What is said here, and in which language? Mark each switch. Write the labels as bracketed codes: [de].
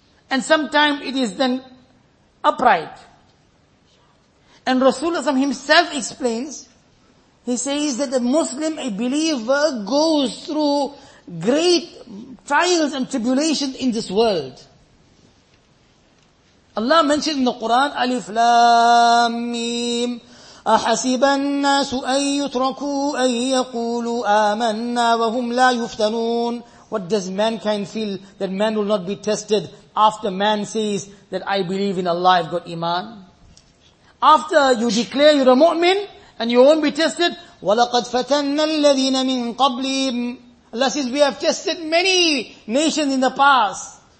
[en] And sometimes it is then upright. And Rasulullah himself explains, he says that the Muslim, a believer, goes through great trials and tribulations in this world. Allah mentioned in the Quran, Alif Lam Mim, [ar] أَحَسِبَ النَّاسُ أَن يُتْرَكُوا أَن يَقُولُوا آمَنَّا وَهُمْ لَا يُفْتَنُونَ. [en] What does mankind feel? That man will not be tested after man says that I believe in Allah, I've got iman. After you declare you're a mu'min and you won't be tested. [ar] وَلَقَدْ فَتَنَّ الَّذِينَ مِن قَبْلِهِمْ. [en] Allah says, we have tested many nations in the past.